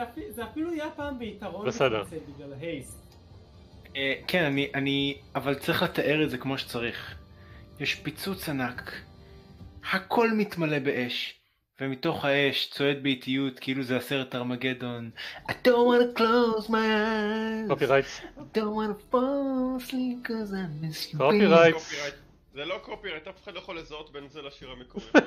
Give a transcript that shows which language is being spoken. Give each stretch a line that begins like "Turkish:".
Hebrew: זה אפילו היה פעם ביתרון לצל בגלל ההייס. כן, אני, אבל צריך לתאר את זה כמו שצריך. יש פיצוץ ענק, הכל מתמלא באש, ומתוך האש צועד באיטיות כאילו זה הסרט ארמגדון.
English: I don't want to close my eyes.
Hebrew: קופירייטס.
English: I don't want to fall asleep because I'm missing.
Hebrew: קופירייטס. זה לא קופירייט, אף אחד לא יכול לזהות בין זה לשיר המקורי.